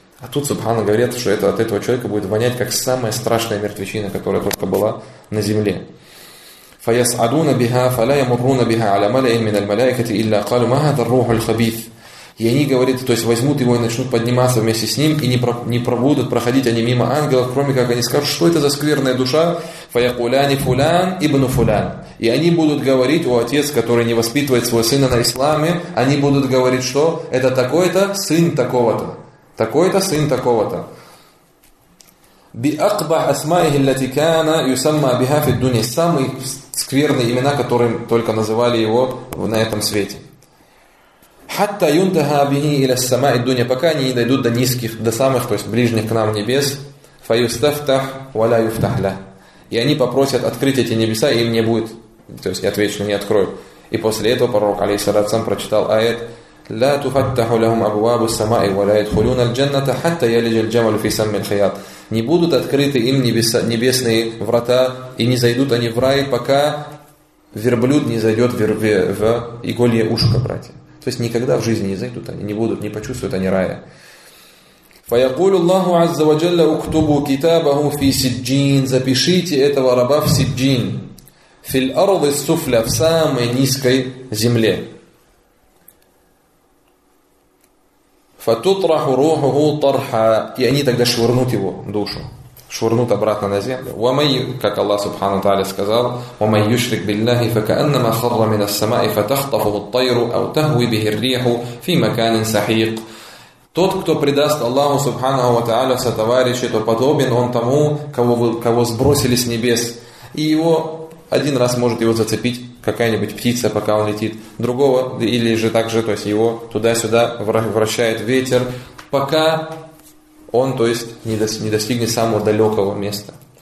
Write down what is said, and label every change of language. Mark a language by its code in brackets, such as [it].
[ru] А тут Субхана говорит, что это от этого человека будет вонять, как самая страшная мертвечина, которая только была на земле. [ar] فَيَسْعَدُونَ بِهَا فَلَا يَمُرُّونَ بِهَا عَلَى مَلَئٍ مِنَ الْمَلَائِكَةِ إِلَّا قَالُوا مَا هَذَا الرُّوحُ الْخَبِيثِ. [ru] И они, говорит, то есть возьмут его и начнут подниматься вместе с ним, и не пробудут проходить они мимо ангелов, кроме как они скажут, что это за скверная душа. [ar] فَيَقُولَانِ فُلَان ибн فُلَان. [ru] И они будут говорить, о отец, который не воспитывает своего сына на исламе, они будут говорить, что это такой-то сын такого-то. Такой-то сын такого-то. [ar] بِأَقْبَحْ أَسْمَائِهِ الَّتِي كَانَ يُسَمَّى بِهَا فِي الدُّنْيَا. [ru] Самые скверные имена, которым только называли его на этом свете. [ar] حَتَّى يُنْتَهَا بِهِ إِلَى السَّمَاءِ الدُّنْيَا. [ru] Пока они не дойдут до самых, то есть ближних к нам небес. [ar] فَيُسْتَفْتَحْ وَلَا يُفْتَحْ لَهُ. [ru] И они попросят открыть эти небеса, и им не будет, то есть я отвечу, что не открою. И после этого пророк, алейхиссалату вассалям, прочитал аят: [ar] لا تفتح لهم أبواب السماء ولا يدخلون الجنة حتى يلج الجمل في سم الخياط. [ru] Не будут открыты им небесные врата, и не зайдут они в рай, пока верблюд не зайдет в иголье ушко, братья. То есть никогда в жизни не зайдут они, не будут, не почувствуют они рая. [ar] فيقول الله عز وجل اكتبوا كتابه في سجين. [ru] Запишите этого раба в сиджин. [ar] في الأرض السفلى, [ru] в самой низкой земле. [ar] فَتُطْرَحُ رُوحُهُ طَرْحًا. [ru] И они тогда швырнут его душу. Швырнут обратно на землю. [ar] وَمَنْ, [ru] как Аллах Субхану Тааля сказал, [ar] وَمَنْ يُشْرِكْ بِاللَّهِ فَكَأَنَّمَا خَرَّ مِنَ السَّمَاءِ فَتَخْطَفُهُ الطَّيْرُ أَوْ تَهْوِي بِهِ الرِّيحُ فِي مَكَانٍ سَحِيقٍ. [ru] Тот, кто предаст Аллаху Субхану Тааля сотоварищи, то подобен он тому, кого сбросили с небес. И его один раз может его зацепить какая-нибудь птица, пока он летит, другого, или же так же, то есть его туда-сюда вращает ветер, пока он, то есть, не достигнет самого далекого места.